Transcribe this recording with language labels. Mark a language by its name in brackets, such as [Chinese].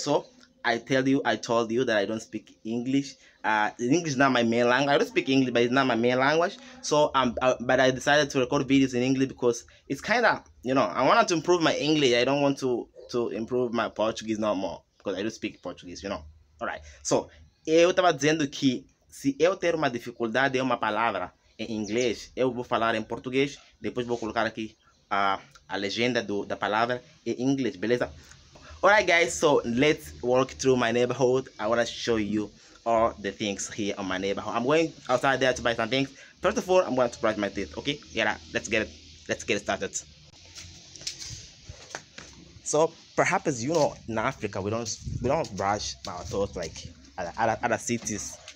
[English] So I told you that I don't speak English. English is not my main language. I don't speak English, but it's not my main language. So but I decided to record videos in English because it's kind of, you know, I wanted to improve my English. I don't want to improve my Portuguese no more because I don't speak Portuguese, you know. [Portuguese] Alright, so eu tava dizendo que se eu ter uma dificuldade em uma palavra em inglês, eu vou falar em português, depois vou colocar aqui a legenda da palavra em inglês, beleza? [English] Alright guys, so let's walk through my neighborhood. I want to show you all the things here on my neighborhood. I'm going outside there to buy some things. First of all, I'm going to brush my teeth, okay? Yeah, let's get it started. So perhaps, you know, in Africa, we don't brush our teeth like other cities.